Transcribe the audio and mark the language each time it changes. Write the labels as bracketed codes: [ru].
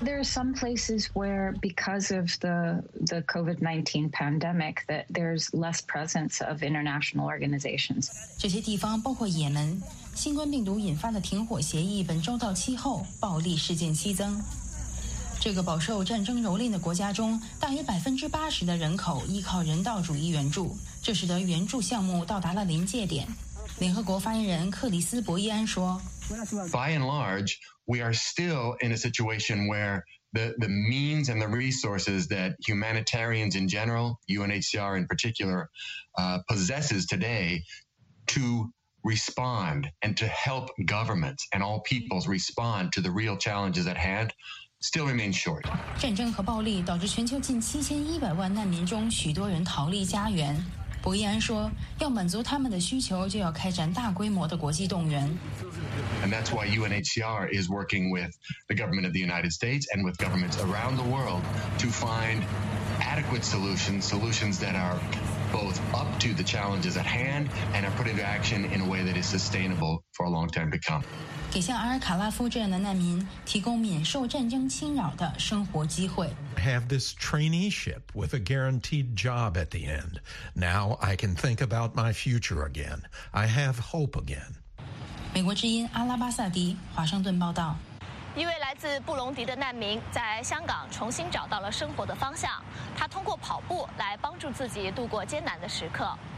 [en] There are some places where, because of the COVID-19 pandemic, that there's less presence of international organizations. [zh] 这些地方包括也门，新冠病毒引发的停火协议本周到期后，暴力事件激增。这个饱受战争蹂躏的国家中，大约80%的人口依靠人道主义援助，这使得援助项目到达了临界点。联合国发言人克里斯·博伊安说 [en] ：“By and large.” We are still in a situation where the means and the resources that humanitarians in general, UNHCR in particular, possesses today to respond and to help governments and all peoples respond to the real challenges at hand still remain short. [zh] 战争和暴力导致全球近7100万难民中许多人逃离家园。博伊安说，要满足他们的需求，就要开展大规模的国际动员。 [en] And that's why UNHCR is working with the government of the United States and with governments around the world to find adequate solutions, solutions that are both up to the challenges at hand and are put into action in a way that is sustainable for a long time to come. [zh] 给像阿尔卡拉夫这样的难民提供免受战争侵扰的生活机会。 [en] Have this traineeship with a guaranteed job at the end. Now I can think about my future again. I have hope again. [zh] 美国之音阿拉巴萨迪，华盛顿报道。一位来自布隆迪的难民在香港重新找到了生活的方向，他通过跑步来帮助自己度过艰难的时刻。